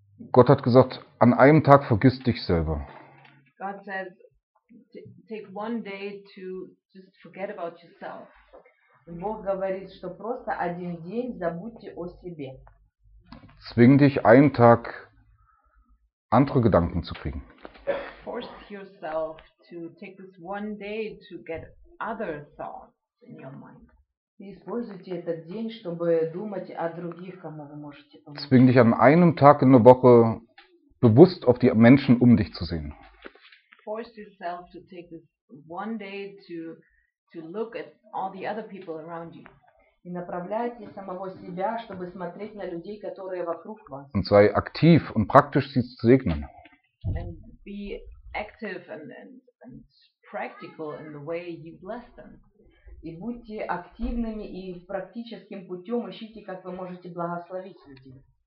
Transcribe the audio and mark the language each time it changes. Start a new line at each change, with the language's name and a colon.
German: Gott hat gesagt, an einem Tag vergiss dich selber.
English: God says, take one day to just forget about yourself.
German: Und
Russian: Бог говорит, что просто один день забудьте о себе.
German: Zwing dich einen Tag andere Gedanken zu kriegen.
English: Force yourself to take this one day to get other thoughts in your mind.
Russian: Используйте этот день, чтобы думать о других, кому вы можете помочь.
German: Zwing dich an einem Tag in der Woche bewusst auf die Menschen um dich zu sehen.
English: Force yourself to take this one day to look at all the other people around you.
Russian: И направляйте самого себя, чтобы смотреть на людей, которые вокруг вас.
German: Und sei aktiv und praktisch sie zu segnen.
English: And be active and practical in the way you bless them.
Russian: И будьте активными и практическим путем ищите, как вы можете благословить людей.